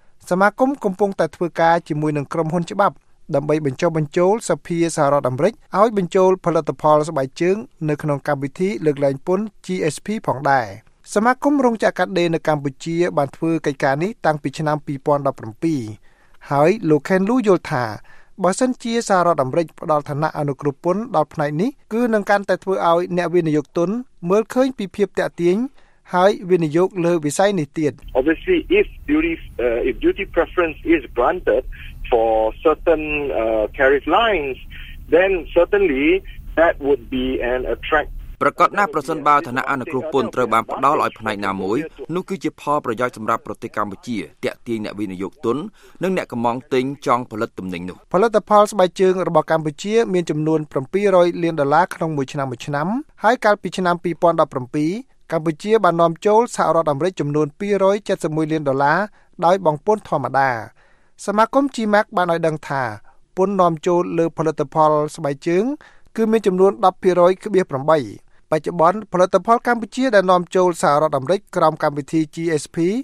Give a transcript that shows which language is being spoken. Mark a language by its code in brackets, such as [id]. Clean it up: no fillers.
[km] សមាគមកំពុងតែធ្វើការជាមួយនឹងក្រុមហ៊ុនច្បាប់ដើម្បីបញ្ចុះបញ្ចូលសភាសហរដ្ឋអាមេរិកឲ្យបញ្ចូលផលិតផលស្បែកជើងនៅក្នុងកម្មវិធីលើកលែងពន្ធ GSP ផងដែរសមាគមរោងចក្រកាត់ដេរនៅកម្ពុជាបានធ្វើកិច្ចការនេះតាំងពីឆ្នាំ2017ហើយលោក Ken Lu យល់ថាបើសិនជាសហរដ្ឋអាមេរិកផ្ដល់ឋានៈអនុគ្រោះពន្ធដល់ផ្នែកនេះគឺនឹងកាន់តែធ្វើឲ្យអ្នកវិនិយោគទុនមើលឃើញពីភាពតាក់ទាញហើយវិនិយោគលើវិស័យនេះទៀត [en] Obviously if duty preference is granted for certain tariff lines then certainly that would be an attract [km] ប្រកបណាប្រសិនបើឋានៈអនុគ្រោះពន្ធត្រូវបានផ្ដល់ឲ្យផ្នែកណាមួយនោះគឺជាផលប្រយោជន៍សម្រាប់ប្រទេសកម្ពុជាតាក់ទាញអ្នកវិនិយោគទុននិងអ្នកកម្មង់ទិញចង់ផលិតទំនិញនោះ ផលិតផលស្បែកជើងរបស់កម្ពុជាមានចំនួន700លានដុល្លារក្នុងមួយឆ្នាំហើយកាលពីឆ្នាំ2017កម្ពុជាបាននាំចូលសហរដ្ឋអាមេរិកចំនួន271លានដុល្លារដោយបង់ពន្ធធម្មតាសមាគម GMAC បានឲ្យដឹងថាពន្ធនាំចូលលើផលិតផលស្បែកជើងគឺមានចំនួន 10.8% បច្ចុប្បន្នផលិតផលកម្ពុជាដែលនាំចូលសហរដ្ឋអាមេរិកក្រោមកម្មវិធី GSP